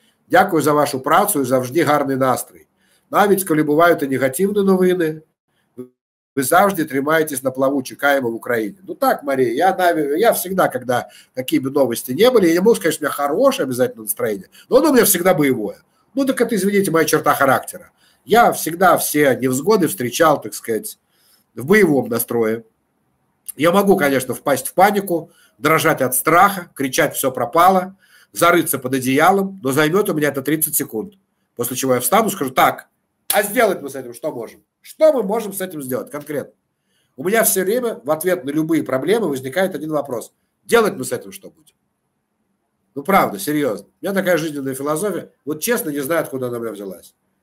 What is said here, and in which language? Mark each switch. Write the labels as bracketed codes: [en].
[uk] Дякую за вашу працу и завжди гарний настрой. Навіть коли бувають і негативні новини, ви завжди тримаєтесь на плаву, чекаємо в Україні. Ну так, Марія, я завжди, коли такі б новості не були, я не можу сказати, що у мене хороше обов'язково настроєння, але воно у мене завжди бойове. [ru] Ну так це, извините, моя черта характеру. [uk] Я завжди всі невзгоди зустрічав, так сказати, в бойовому настрої. Я можу, звісно, впасти в паніку, дрожати від страху, кричати «все пропало», зарыться під одеялом, але займе у мене це 30 секунд. [ru] После чего я встану и скажу, так, а сделать мы с этим что можем? Что мы можем с этим сделать конкретно? У меня все время в ответ на любые проблемы возникает один вопрос. Делать мы с этим что будем? Ну, правда, серьезно. У меня такая жизненная философия. Вот честно, не знаю, откуда она у меня взялась.